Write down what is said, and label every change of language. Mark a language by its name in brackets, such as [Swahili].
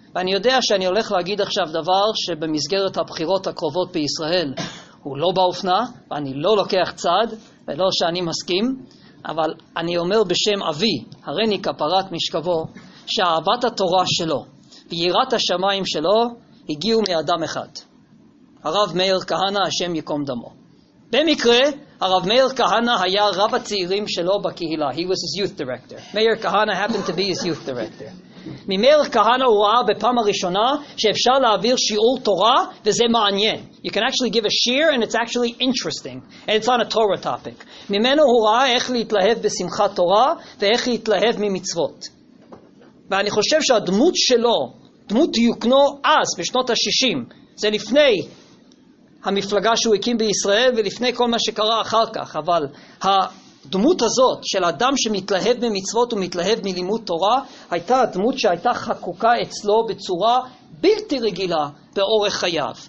[Hebrew] ואני יודע שאני הולך להגיד עכשיו דבר שבמסגרת הבחירות הקרובות בישראל הוא לא באופנה, ואני לא לוקח צד ולא שאני מסכים, אבל אני אומר בשם אבי, הרני כפרת משכבו, שאהבת התורה שלו ויראת השמיים שלו הגיעו מאדם אחד. הרב מאיר כהנה, השם יקום דמו. במקרה, הרב מאיר כהנה היה רב הצעירים שלו בקהילה. [English] He was his youth director. מאיר כהנה happened to be his youth director. [Hebrew] ממאיר כהנה הוא ראה בפעם הראשונה שאפשר להעביר שיעור תורה וזה מעניין. [English] You can actually give a shiur and it's actually interesting. And it's on a Torah topic. [Hebrew] ממנו הוא ראה איך להתלהב בשמחת תורה ואיך להתלהב ממצוות. ואני חושב שהדמות שלו, דמות דיוקנו אז בשנות ה-60, זה לפני המפלגה שהוא הקים בישראל ולפני כל מה שקרה אחר כך, אבל הדמות הזאת של אדם שמתלהב ממצוות ומתלהב מלימוד תורה, הייתה הדמות שהייתה חקוקה אצלו בצורה בלתי רגילה באורך חייו.